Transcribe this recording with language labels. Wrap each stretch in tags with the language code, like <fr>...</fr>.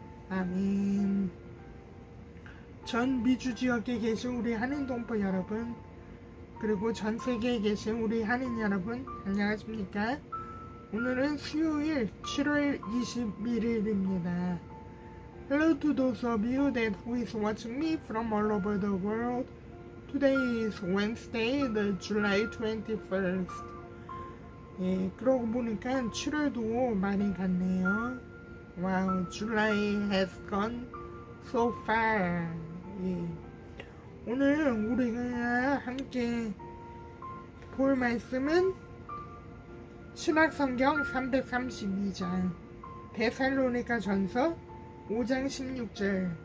<ko>아멘. 전 미주 지역에 계신 우리 한인 동포 여러분, 그리고 전 세계에 계신 우리 한인 여러분, 안녕하십니까? 오늘은 수요일 7월 21일입니다.</ko> <en>Hello to those of you that who is watching me from all over the world. Today is Wednesday, the July 21st.</en> <ko>예, 그러고 보니까 7월도 많이 갔네요.</ko> <en>Wow, July has gone so far. 예.</en> <ko>오늘 우리가 함께 볼 말씀은 신약성경 332장, 데살로니가 전서 5장 16절.</ko>